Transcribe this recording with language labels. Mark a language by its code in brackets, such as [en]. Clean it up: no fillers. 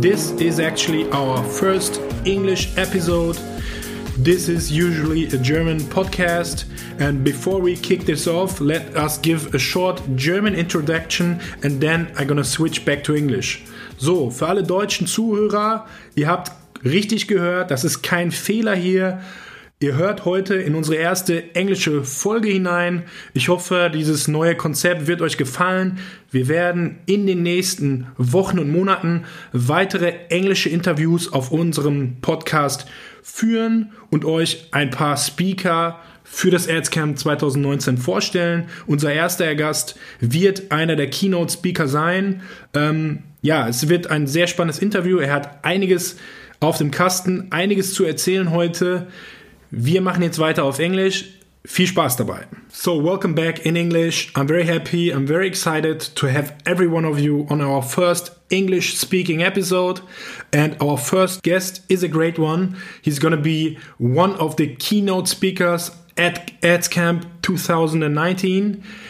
[en] This is actually our first English episode. This is usually a German podcast. And before we kick this off, let us give a short German introduction and then I'm gonna switch back to English. [de] So, für alle deutschen Zuhörer, ihr habt richtig gehört, das ist kein Fehler hier. Ihr hört heute in unsere erste englische Folge hinein. Ich hoffe, dieses neue Konzept wird euch gefallen. Wir werden in den nächsten Wochen und Monaten weitere englische Interviews auf unserem Podcast führen und euch ein paar Speaker für das AdsCamp 2019 vorstellen. Unser erster Gast wird einer der Keynote-Speaker sein. Es wird ein sehr spannendes Interview. Er hat einiges auf dem Kasten, einiges zu erzählen heute. Wir machen jetzt weiter auf Englisch. Viel Spaß dabei. [en] So, welcome back in English. I'm very happy. I'm very excited to have every one of you on our first English speaking episode. And our first guest is a great one. He's going to be one of the keynote speakers at AdsCamp 2019.